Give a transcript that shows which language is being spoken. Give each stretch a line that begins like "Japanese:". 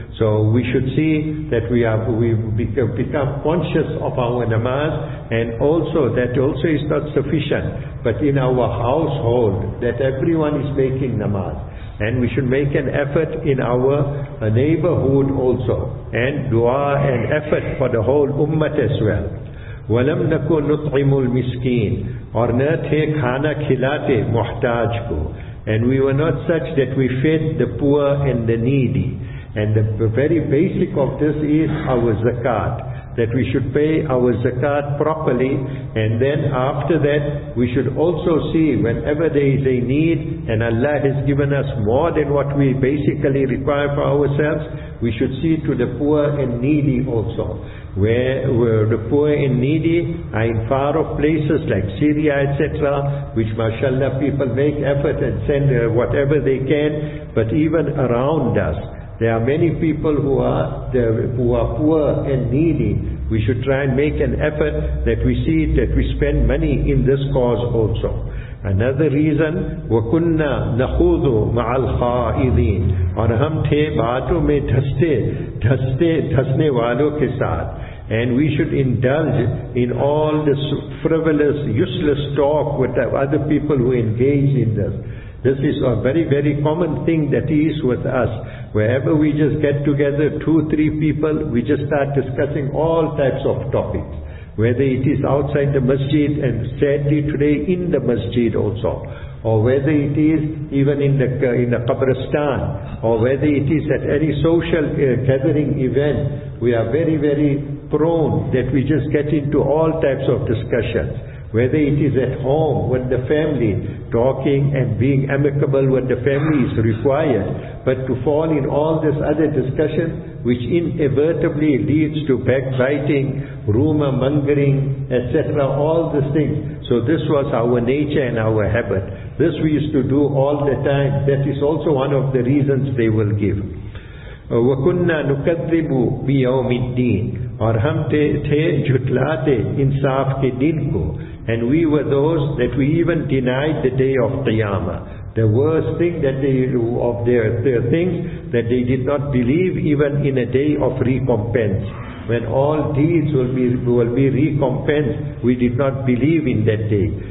English: So we should see that we become conscious of our namaz, and also that also is not sufficient, but in our household that everyone is making namaz. And we should make an effort in our neighborhood also, and dua and effort for the whole ummah as well.
Arabic: وَلَمْ نَكُوْ نُطْعِمُ الْمِسْكِينَ
Urdu: اور نہ تھے کھانا کھلاتے محتاج کو.
English: And we were not such that we fed the poor and the needy. And the very basic of this is our zakat, that we should pay our zakat properly, and then after that we should also see whenever there is a need and Allah has given us more than what we basically require for ourselves, we should see to the poor and needy also. Where the poor and needy are in far off places like Syria, etc., which mashallah people make effort and send whatever they can, but even around us there are many people who are poor and needy. We should try and make an effort that we see that we spend money in this cause also. Another reason,
Arabic: وَكُنَّا نَخُوذُ مَعَ الْخَائِذِينَ
Urdu: اور ہم تھے باتوں میں دھستے والوں کے ساتھ.
English: And we should indulge in all this frivolous, useless talk with the other people who engage in this. This is a very, very common thing that is with us. Wherever we just get together, 2-3 people, we just start discussing all types of topics. Whether it is outside the masjid, and sadly today in the masjid also. Or whether it is even in the Qabristan. Or whether it is at any social gathering event. We are very, very prone that we just get into all types of discussions. Whether it is at home with the family, talking and being amicable when the family is required, but to fall in all this other discussion which inevitably leads to backbiting, rumor mongering, etc., all these things. So this was our nature and our habit. This we used to do all the time. That is also one of the reasons they will give.
Arabic: وَكُنَّا نُكَذِّبُ بِيَوْمِ الدِّينِ
Urdu: اور ہم تھے جھٹلاتے انصاف کے دن کو.
English: And we were those that we even denied the day of Qiyamah. The worst thing that they do of their things, that they did not believe even in a day of recompense. When all deeds will be recompensed, we did not believe in that day.